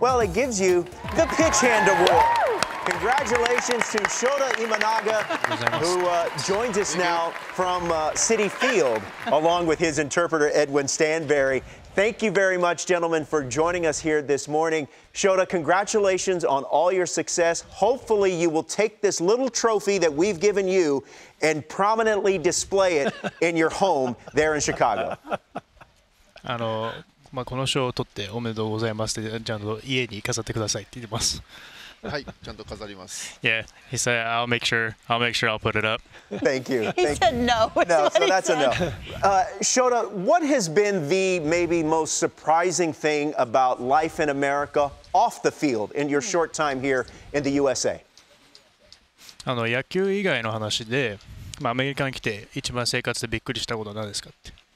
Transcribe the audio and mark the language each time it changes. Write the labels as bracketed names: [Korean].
[English] Well, it gives you the Pitch Hand Award. Congratulations to Shota Imanaga, who joins us now from Citi Field, along with his interpreter, Edwin Stanberry. Thank you very much, gentlemen, for joining us here this morning. Shota, congratulations on all your success. Hopefully you will take this little trophy that we've given you and prominently display it in your home there in Chicago. [Japanese] この賞を取っておめでとうございますって、ちゃんと家に飾ってくださいって言ってます。はい、ちゃんと飾ります。 [English] Yeah, he said, I'll make sure I'll put it up. Thank you. He said no. No, so that's a no. Shota, what has been the maybe most surprising thing about life in America off the field in your short time here in the USA? [Japanese] 野球以外の話で、アメリカに来て一番生活でびっくりしたことは何ですかって。